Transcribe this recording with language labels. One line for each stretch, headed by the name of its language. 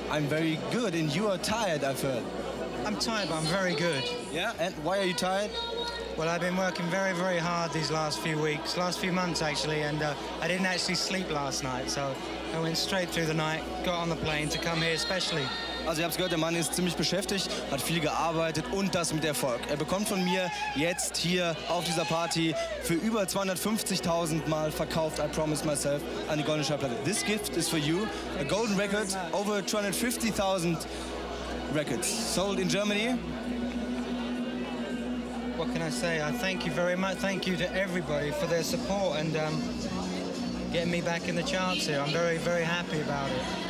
English: I'm very good, and you are tired, I've heard. I'm tired, but I'm very good. Yeah? And why are you tired? Well, I've been working very, very hard these last few months, actually, and I didn't actually sleep last night, so I went straight through the night, got on the plane to come here especially.
German: Also, ihr habt's gehört, der Mann ist ziemlich beschäftigt, hat viel gearbeitet und das mit Erfolg. Er bekommt von mir jetzt hier auf dieser Party für über 250.000 Mal verkauft,
English: I promise myself,
German: eine goldene Schallplatte.
English: This gift is for you, a golden record, over 250.000 records sold in Germany. What can I say? I thank you very much. Thank you to everybody for their support and getting me back in the charts here. I'm very, very happy about it.